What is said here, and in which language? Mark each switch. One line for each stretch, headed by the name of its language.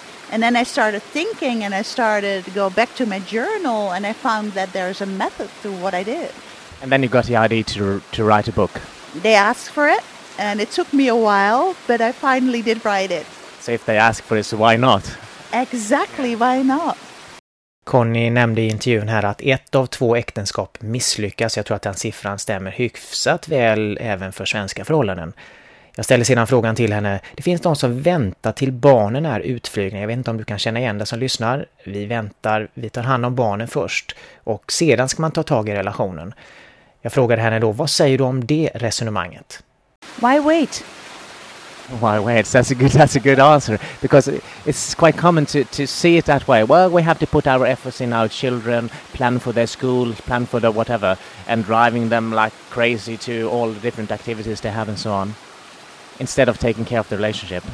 English: And then I started thinking and I started to go back to my journal and I found that there's a method to what I did. And then you got the idea to write a book. They asked for it and it took me a while, but I finally did write it. So if they ask for it, so why not? Exactly, why not?
Swedish: Conny nämnde i intervjun här att ett av två äktenskap misslyckas. Jag tror att den siffran stämmer hyfsat väl även för svenska förhållanden. Jag ställer sedan frågan till henne. Det finns de som väntar till barnen är utflygna. Jag vet inte om du kan känna igen det som lyssnar. Vi väntar, vi tar hand om barnen först. Och sedan ska man ta tag i relationen. Jag frågade henne då, vad säger du om det resonemanget?
English: Why wait? Why wait? That's a good answer. Because it's quite common to see it that way. Well, we have to put our efforts in our children, plan for their school, plan for their whatever. And driving them like crazy to all the different activities they have and so on. Instead of taking care of the relationship.